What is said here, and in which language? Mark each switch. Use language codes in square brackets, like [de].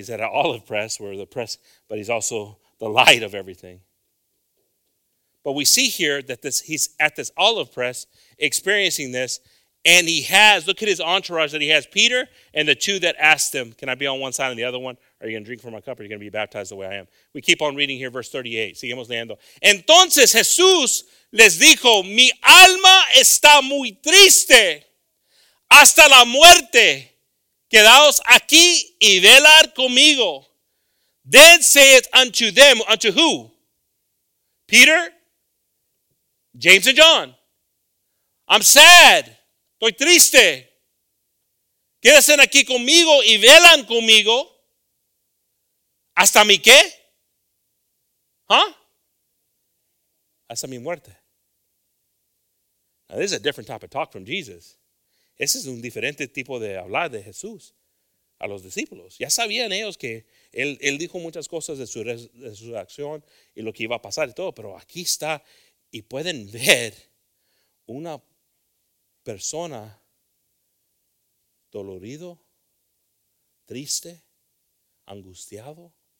[en] He's at an olive press, where the press, but he's also the light of everything. But we see here that this he's at this olive press experiencing this. And he has, look at his entourage that he has, Peter and the two that asked him, can I be on one side and the other one? Are you going to drink from my cup or are you going to be baptized the way I am? We keep on reading here, verse 38. [es] Seguimos leyendo. Entonces Jesús les dijo, mi alma está muy triste hasta la muerte. Quedaos aquí y velar conmigo. [en] Then saith unto them, unto who? Peter, James and John. I'm sad. [es] Estoy triste. Quédense aquí conmigo y velan conmigo. ¿Hasta mi qué? ¿Huh? Hasta mi muerte. [en] Now, this is a different type of talk from Jesus. [es] Ese es un diferente tipo de hablar de Jesús a los discípulos. Ya sabían ellos que él dijo muchas cosas de su acción y lo que iba a pasar y todo, pero aquí está y pueden ver una persona dolorido, triste, angustiado.